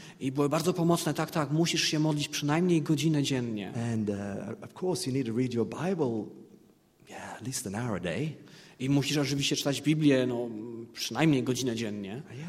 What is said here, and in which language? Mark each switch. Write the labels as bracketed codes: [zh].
[pl] I były bardzo pomocne, tak, musisz się modlić przynajmniej godzinę dziennie. [en] And of course you need to read your Bible at least an hour a day. [pl] I musisz oczywiście czytać Biblię przynajmniej godzinę dziennie.